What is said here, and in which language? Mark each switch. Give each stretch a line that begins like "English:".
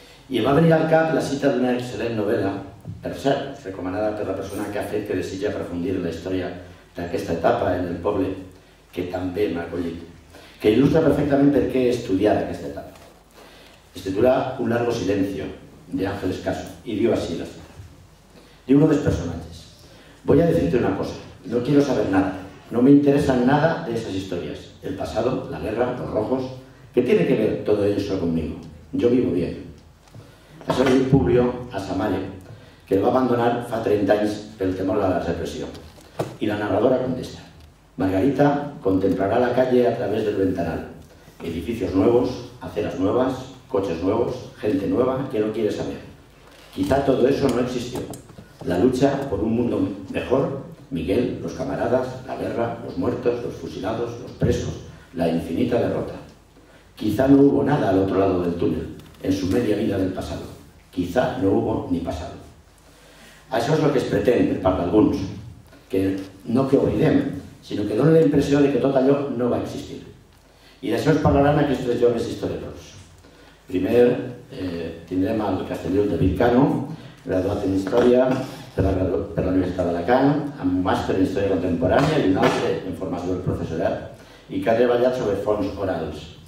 Catalan: I em va venir al cap la cita d'una excel·lent novel·la, per cert, recomanada per la persona que ha fet que desitja aprofundir la història d'aquesta etapa en el poble, que també m'ha acollit, que il·lustra perfectament per què estudiar aquesta etapa. Es titula Un largo silencio, de Ángel Escaso, i diu així la cita. Diu uno dels personatges:
Spanish: voy a decirte una cosa. No quiero saber nada, no me interesan nada de esas historias. El pasado, la guerra, los rojos, ¿qué tiene que ver todo eso conmigo? Yo vivo bien. Eso es un Publio a Samaria, que lo va a abandonar
Catalan: fa
Spanish: 30 años por el temor a la represión. Y la narradora contesta: Margarita contemplará la calle a través del ventanal. Edificios nuevos, aceras nuevas, coches nuevos, gente nueva que no quiere saber. Quizá todo eso no existió. La lucha por un mundo mejor. Miguel, los camaradas, la guerra, los muertos, los fusilados, los presos, la infinita derrota. Quizá no hubo nada al otro lado del túnel, en su media vida del pasado. Quizá no hubo ni pasado.
Catalan: Això és el que es pretén per part d'alguns, que no que oblidem, sinó que donen la impressió que tot allò no va existir. I d'això es parlaran aquests joves historiadors. Primer tindrem el castellà David Cano, graduat en Història, per la Universitat d'Alacant, amb un màster en Història Contemporània i un altre en formació del professorat, i que ha treballat sobre fonts orals.